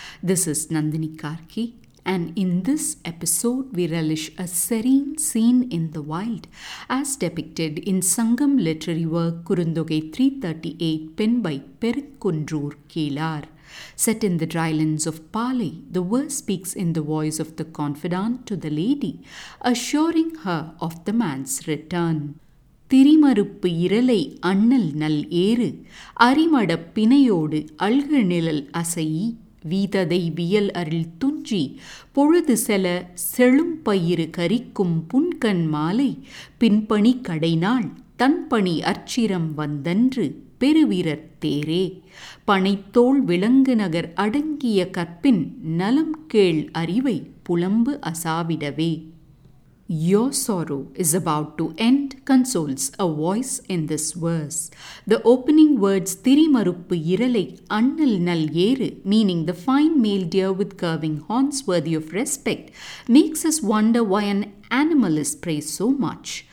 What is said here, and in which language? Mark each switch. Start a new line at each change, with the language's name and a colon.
English: This is Nandini Karki, and in this episode we relish a serene scene in the wild as depicted in Sangam literary work Kurundogai 338 penned by Perukkunrur Kelar. Set in the drylands of Pali, the verse speaks in the voice of the confidant to the lady, assuring her of the man's return.
Tamil: திரிமறுப்பு இரலை அண்ணல் நல் ஏறு அரிமடப் பிணையோடு அழகு நிழல் அசை வீததை வியல் அருள் துஞ்சி பொழுது செல செழும் பயிறு கரிக்கும் புன்கண் மாலை பின்பணி கடைநாள் தன்பணி அச்சிரம் வந்தன்று பெருவீரர் தேரே பனைத்தோள் விலங்கு நகர் அடங்கிய கற்பின் நலம் கேள் அறிவை புலம்பு அசாவிடவே.
English: "Your sorrow is about to end," consoles a voice in this verse. The opening words
Tamil: "Thirimaruppu iralai annal nal yeru,"
English: meaning the fine male deer with curving horns worthy of respect, makes us wonder why an animal is praised so much.